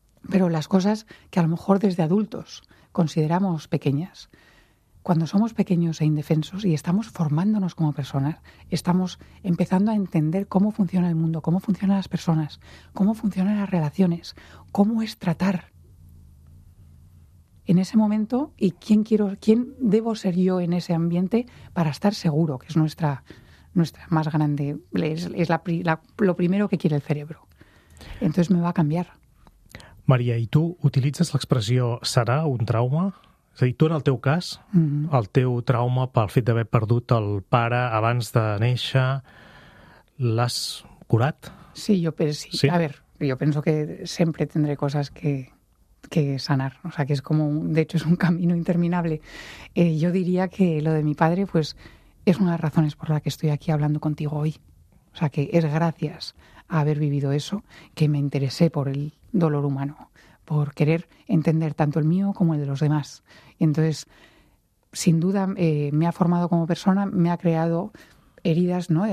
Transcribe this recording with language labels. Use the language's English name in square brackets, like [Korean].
[Spanish] Pero las cosas que a lo mejor desde adultos consideramos pequeñas, cuando somos pequeños e indefensos y estamos formándonos como personas, estamos empezando a entender cómo funciona el mundo, cómo funcionan las personas, cómo funcionan las relaciones, cómo es tratar en ese momento y quién debo ser yo en ese ambiente para estar seguro, que es nuestra más grande, lo primero que quiere el cerebro. Entonces me va a cambiar. [Catalan] Maria, i tu utilitzes l'expressió serà un trauma? És a dir, tu en el teu cas, el teu trauma pel fet d'haver perdut el pare abans de néixer, l'has curat? Sí, jo penso, sí. A veure, jo penso que sempre tindré coses que sanar. [Spanish] O sea, que [Catalan] és com, [Spanish] de hecho, [Catalan] és un [Spanish] camino interminable. [Catalan] Jo diria que [Spanish] lo de mi padre, pues, es una de las razones por la que estoy aquí hablando contigo hoy. O sea, que es gracias a haber vivido eso que me interesé por el dolor humano, por querer entender tanto el mío como el de los demás. Entonces, sin duda, me ha formado como persona, me ha creado heridas, ¿no?